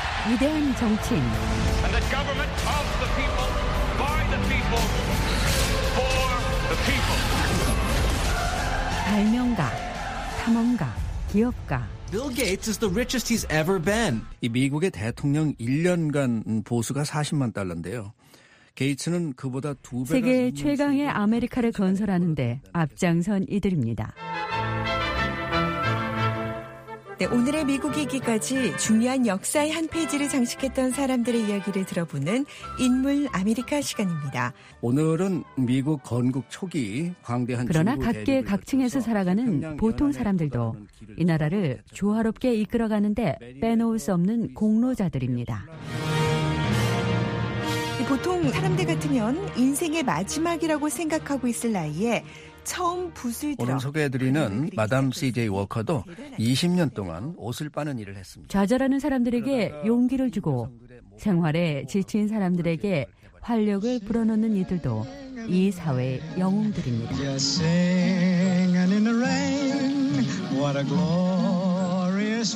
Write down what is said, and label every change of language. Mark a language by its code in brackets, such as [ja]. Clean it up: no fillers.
[ko] 위대한 정치인, 발명가, 탐험가, 기업가. [en] Bill Gates is the richest he's ever been. [ko] 이 미국의 대통령 1년간 보수가 40만 달러인데요. 게이츠는 그보다 두 배가 세계 최강의 아메리카를 건설하는데 앞장선 이들입니다. 네, 오늘의 미국이기까지 중요한 역사의 한 페이지를 장식했던 사람들의 이야기를 들어보는 인물 아메리카 시간입니다. 오늘은 미국 건국 초기 광대한 그러나 각계 각층에서 살아가는 보통 사람들도 이 나라를 조화롭게 이끌어가는데 빼놓을 수 없는 공로자들입니다. 보통 사람들 같으면 인생의 마지막이라고 생각하고 있을 나이에 처음 붓을 들어 오늘 소개해드리는 마담 CJ 워커도 20년 동안 옷을 빠는 일을 했습니다. 좌절하는 사람들에게 용기를 주고 생활에 지친 사람들에게 활력을 불어넣는 이들도 이 사회의 영웅들입니다. [en] Singing in the rain, what a glorious